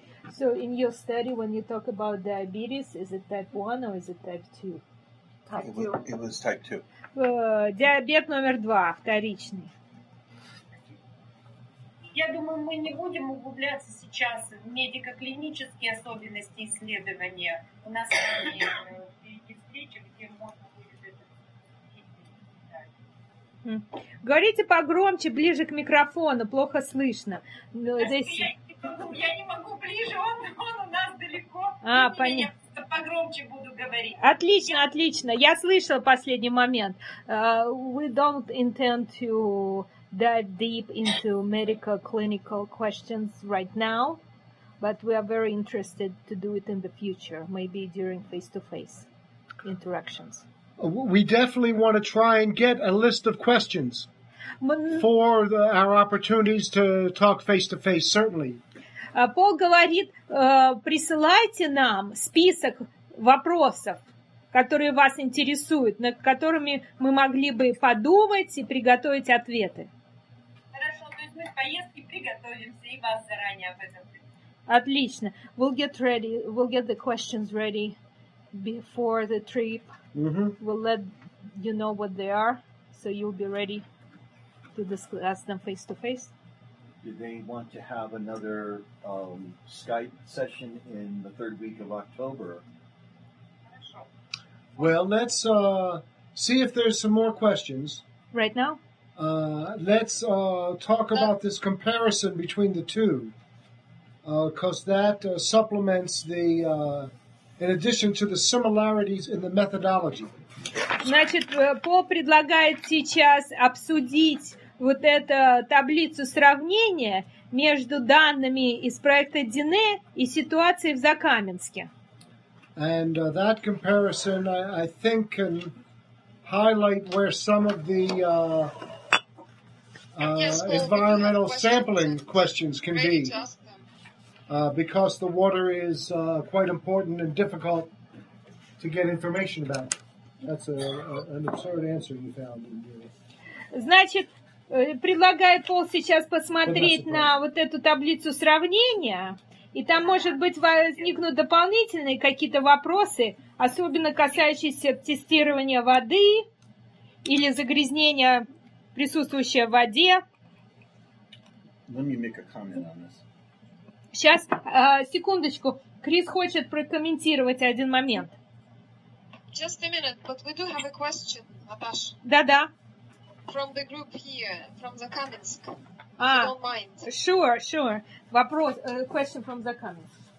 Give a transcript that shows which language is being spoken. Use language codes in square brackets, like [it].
[en] So in your study, when you talk about diabetes, is it type 1 or is it type 2? It was type 2. [ru] Диабет номер 2, вторичный. Я думаю, мы не будем углубляться сейчас в медико-клинические особенности исследования. У нас есть встречи, где можно будет это... Говорите погромче, ближе к микрофону, плохо слышно. Я не могу ближе, он у нас далеко. А, понятно. Погромче буду говорить. Отлично, отлично. Я слышала последний момент. [en] We don't intend to dive deep into medical clinical questions right now, but we are very interested to do it in the future, maybe during face-to-face interactions. We definitely want to try and get a list of questions for our opportunities to talk face-to-face, certainly. [ru] Пол говорит, присылайте нам список вопросов, которые вас интересуют, над которыми мы могли бы подумать и приготовить ответы. Хорошо, то есть мы к поездке приготовимся и вас заранее об этом предупредим. Отлично. [en] We'll get the questions ready before the trip. Mm-hmm. We'll let you know what they are, so you'll be ready to discuss them face to face. Do they want to have another Skype session in the third week of October? Well, let's see if there's some more questions. Right now? Let's talk about this comparison between the two, because that supplements the, in addition to the similarities in the methodology. [ru] Значит, Пол предлагает сейчас обсудить вот эту таблицу сравнения между данными из проекта Дине и ситуацией в Закаменске. [en] And that comparison, I think, can highlight where some of the environmental sampling questions can be, because the water is quite important and difficult to get information about. That's an absurd answer you found in your... [ru] Значит, предлагает Пол сейчас посмотреть на вот эту таблицу сравнения, и там, может быть, возникнут дополнительные какие-то вопросы, особенно касающиеся тестирования воды или загрязнения, присутствующего в воде. [en] Let me make a comment on this. [ru] Сейчас, секундочку, Крис хочет прокомментировать один момент. [en] Just a minute, but we do have a question, Наташа. [ru] Да-да. [en] From the group here, from Закаменск. Ah, sure. [ru] Вопрос, [en] question from the comments.